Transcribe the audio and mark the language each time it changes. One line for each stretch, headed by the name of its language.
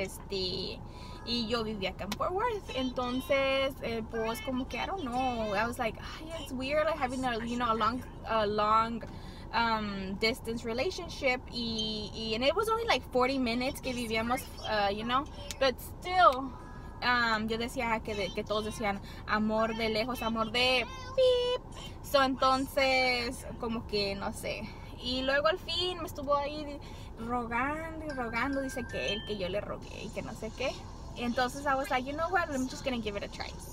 Spanish: Y yo vivía acá en Fort Worth. Entonces, pues como que,
English: I don't know, I was like, ay, it's weird like having a, you know, a long distance relationship. And it was only like 40 minutes
Spanish: que vivíamos,
English: you know, but still.
Spanish: Yo decía que todos decían amor de lejos, amor de pip. So, entonces, como que no sé. Y luego al fin me estuvo ahí rogando y rogando. Dice que él, que yo le rogué y que no sé qué.
English: Entonces, I was like, you know what, I'm just gonna give it a try.